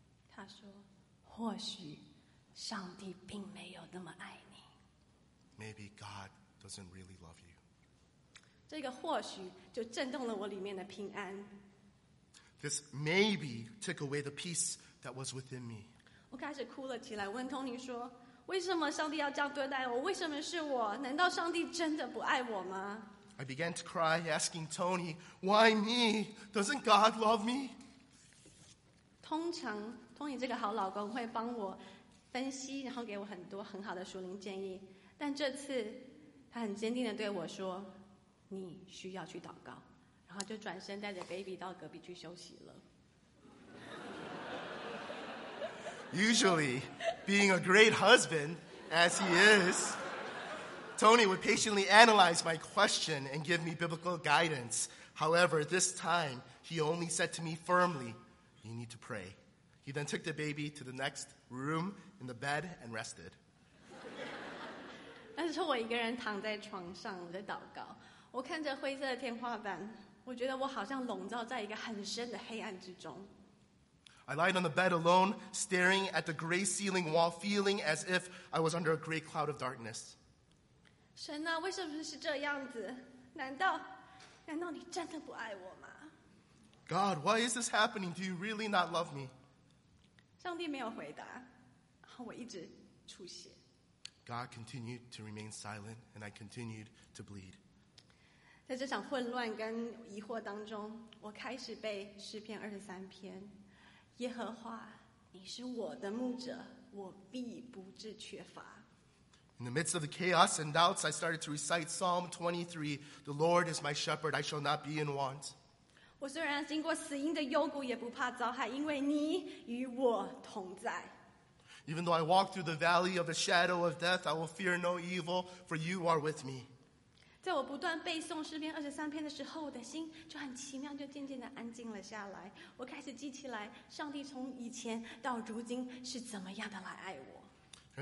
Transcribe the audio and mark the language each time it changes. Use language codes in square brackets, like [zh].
[zh] 他说，或许上帝并没有那么爱你。 [en] Maybe God doesn't really love you. [zh] 这个或许就震动了我里面的平安。 [en] This maybe took away the peace that was within me. [zh] 我开始哭了起来，问 Tony 说，为什么上帝要这样对待我？为什么是我？难道上帝真的不爱我吗？ [en] I began to cry, asking Tony, why me? Doesn't God love me? [zh] 通常 Tony 这个好老公会帮我分析，然后给我很多很好的属灵建议，但这次他很坚定地对我说，你需要去祷告，然后就转身带着 baby 到隔壁去休息了。 [en] Usually, being a great husband, as he is, Tony would patiently analyze my question and give me biblical guidance. However, this time, he only said to me firmly, you need to pray. He then took the baby to the next room in the bed and rested. [zh] 那时候我一个人躺在床上，我在祷告。我看着灰色的天花板，我觉得我好像笼罩在一个很深的黑暗之中。 [en] I lied on the bed alone, staring at the gray ceiling wall, feeling as if I was under a gray cloud of darkness. [zh] 神啊，为什么是这样子？难道你真的不爱我吗？ [en] God, why is this happening? Do you really not love me? [zh] 上帝没有回答，然后我一直出血。 [en] God continued to remain silent, and I continued to bleed. [zh] 在这场混乱跟疑惑当中，我开始背诗篇二十三篇。耶和华，你是我的牧者，我必不致缺乏。 [en] In the midst of the chaos and doubts, I started to recite Psalm 23. The Lord is my shepherd, I shall not be in want. [zh] 我虽然经过死荫的幽谷，也不怕遭害，因为你与我同在。 [en] Even though I walk through the valley of the shadow of death, I will fear no evil, for you are with me. [zh] 在我不断背诵诗篇二十三篇的时候，我的心就很奇妙，就渐渐地安静了下来。我开始记起来，上帝从以前到如今是怎么样的来爱我。